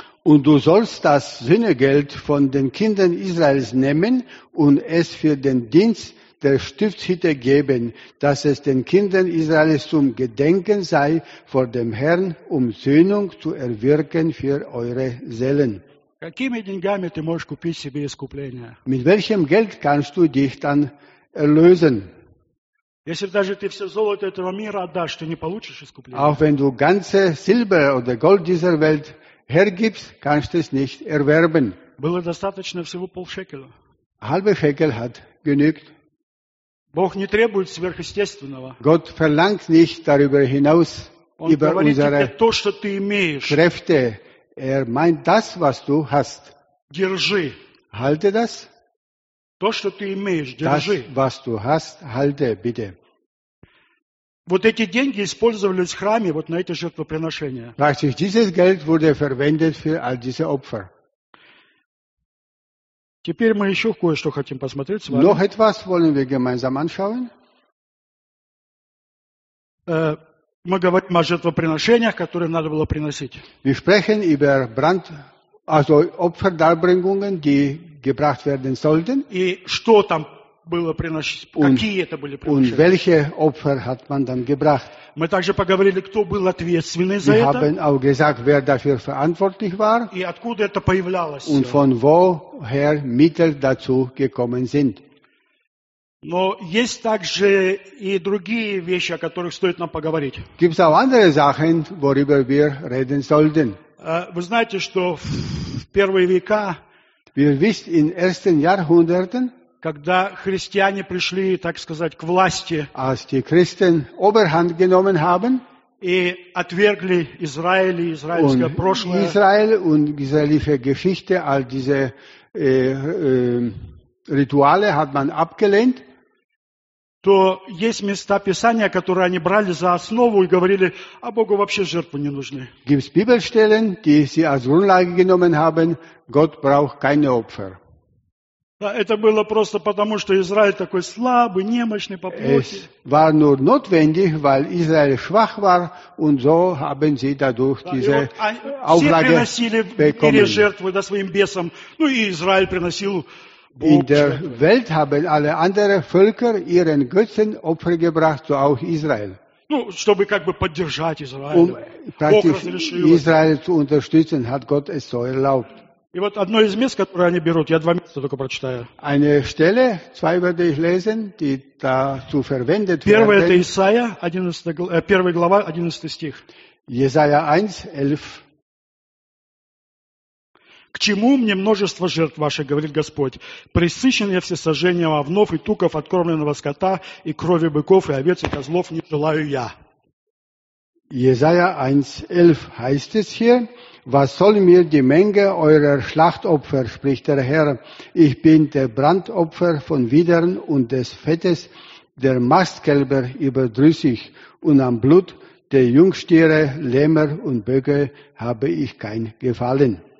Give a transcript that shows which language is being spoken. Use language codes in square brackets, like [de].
[de] Und du sollst das Sühnegeld von den Kindern Israels nehmen und es für den Dienst der Stiftshütte geben, dass es den Kindern Israels zum Gedenken sei vor dem Herrn, um Sühnung zu erwirken für eure Seelen. Mit welchem Geld kannst du dich dann erlösen? Auch wenn du ganze Silber oder Gold dieser Welt hergibst, kannst du es nicht erwerben. Halbe Schekel hat genügt. [ru] Бог не требует сверхъестественного. [de] Gott verlangt nicht darüber hinaus [ru] Он [de] über [ru] говорит [de] unsere [ru] тебе то, что ты имеешь. [de] Kräfte. Er meint das, was du hast. [ru] Держи. [de] Halte das. [ru] То, что ты имеешь, держи. [de] Das, was du hast, halte, bitte. [ru] Вот эти деньги использовались в храме вот на эти жертвоприношения. [de] Praktisch dieses Geld wurde verwendet für all diese Opfer. [ru] Теперь мы еще кое-что хотим посмотреть с вами. [de] Noch etwas wollen wir gemeinsam anschauen. [ru] Мы говорим о жертвоприношениях, которые надо было приносить. [de] Wir sprechen über Brand, also Opferdarbringungen, die gebracht werden sollten. [ru] И что там было приносить? Какие это были приношения? [de] Und welche Opfer hat man dann gebracht? [ru] Мы также поговорили, кто был ответственный за это. [de] Wir haben auch gesagt, wer dafür verantwortlich war. [ru] И откуда это появлялось? [de] Und von woher Mittel dazu gekommen sind. [ru] Но есть также и другие вещи, о которых стоит нам поговорить. [de] Gibt's auch andere Sachen, worüber wir reden sollten. [ru] Вы знаете, что в первые века, [de] wir wissen, in ersten Jahrhunderten, [ru] когда христиане пришли, так сказать, к власти, [de] als die Christen Oberhand genommen haben, [ru] и отвергли Израиль и израильское [de] und [ru] прошлое, [de] Израиль und israelische Geschichte, all diese Rituale hat man abgelehnt, [ru] то есть места Писания, которые они брали за основу и говорили, а Богу вообще жертвы не нужны. [de] Gibt's Bibelstellen, die sie als Grundlage genommen haben, Gott braucht keine Opfer. [ru] Это было просто потому, что Израиль такой слабый, немощный по плоти. [de] Es war nur notwendig, weil Israel schwach war, und so haben sie dadurch diese Auflage bekommen. [ru] Все приносили мире жертвы да, своим бесам, ну и Израиль приносил Богу. [de] In der Welt haben alle anderen Völker ihren Götzen Opfer gebracht, so auch Israel. [ru] Ну, чтобы как бы поддержать Израиль. [de] Praktisch Israel zu unterstützen, hat Gott es so erlaubt. [ru] И вот одно из мест, которое они берут, я два места только прочитаю. [de] Eine Stelle, zwei werde ich lesen, die dazu verwendet werden. [ru] Первая это Исаия, 1 глава, 11 стих. [de] Jesaja 1, 11. [ru] «К чему мне множество жертв ваших, говорит Господь? Пресыщен я всесожжением овнов и туков, откормленного скота, и крови быков, и овец, и козлов не желаю я». [de] Jesaja 1, 11 heißt es hier. Was soll mir die Menge eurer Schlachtopfer, spricht der Herr? Ich bin der Brandopfer von Widdern und des Fettes der Mastkälber überdrüssig. Und am Blut der Jungstiere, Lämmer und Böcke habe ich kein Gefallen.